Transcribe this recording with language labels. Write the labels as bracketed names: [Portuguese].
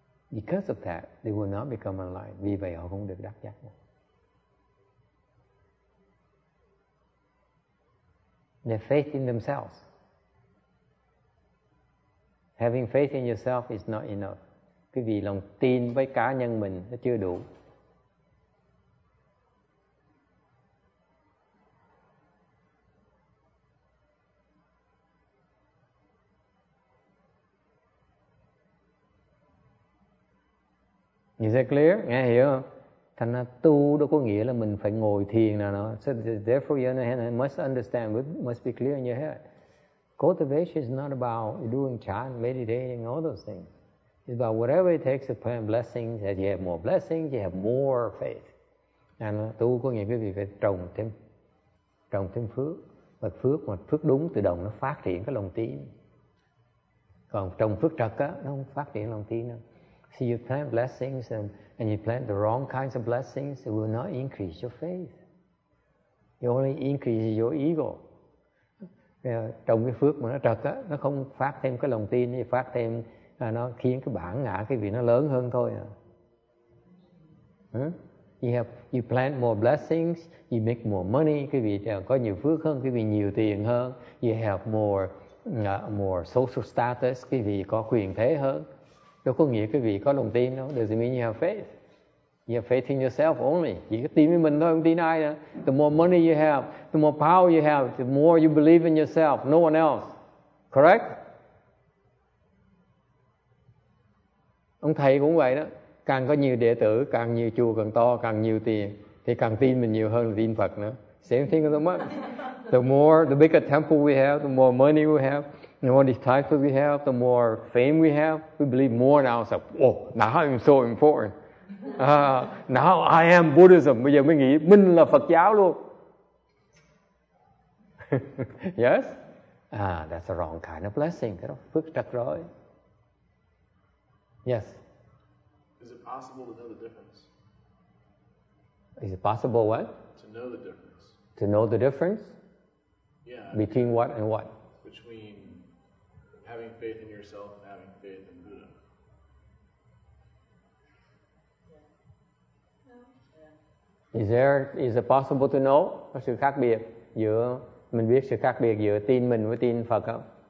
[English] Because of that, they will not become enlightened. [Vietnamese] Vì vậy họ không được đắc giác. [English] Their faith in themselves. Having faith in yourself is not enough. [Vietnamese] Cái vì lòng tin với cá nhân mình nó chưa đủ. [English] Is that clear? [Vietnamese] Nghe hiểu không? Thành ra tu đâu có nghĩa là mình phải ngồi thiền nào đó. [English] So therefore you must understand, must be clear in your head. Cultivation is not about doing chant, meditating, all those things. It's about whatever it takes to find blessings. As you have more blessings, you have more faith. [Vietnamese] And tu có nghĩa quý vị phải trồng thêm phước. Và phước đúng tự động nó phát triển cái lòng tin. Còn trồng phước trật á, nó không phát triển lòng tin đâu. [English] So you plant blessings and you plant the wrong kinds of blessings, it will not increase your faith. It only increases your ego. [Vietnamese] Trong cái phước mà nó trật á, nó không phát thêm cái lòng tin, nó phát thêm, nó khiến cái bản ngã cái vị nó lớn hơn thôi. [English] You plant more blessings, you make more money, [Vietnamese] cái vị có nhiều phước hơn, cái vị nhiều tiền hơn, [English] you have more social status, [Vietnamese] cái vị có quyền thế hơn. Đâu có nghĩa quý vị có lòng tin đâu. [English] Does it mean you have faith? You have faith in yourself only. [Vietnamese] Chỉ có tin với mình thôi, không tin ai nữa. [English] The more money you have, the more power you have, the more you believe in yourself, no one else. Correct? [Vietnamese] Ông thầy cũng vậy đó. Càng có nhiều đệ tử, càng nhiều chùa càng to, càng nhiều tiền, thì càng tin mình nhiều hơn là tin Phật nữa. [English] Same thing with the monk. The more, the bigger temple we have, the more money we have, the more titles we have, the more fame we have, we believe more in ourselves. Oh, now I'm so important. Now I am Buddhism. [Vietnamese] Bây giờ mới nghĩ mình là Phật giáo luôn. [English] Yes? That's the wrong kind of blessing. [Vietnamese] Cái đó phước trật rồi. [English] Yes? Is it possible to know the difference? Is it possible what? To know the difference. To know the difference? Yeah. Between what and what? Between having faith in yourself and having faith in Buddha. Is it possible to know? [Vietnamese] Có sự khác biệt giữa mình biết sự khác biệt giữa tin mình với tin Phật không?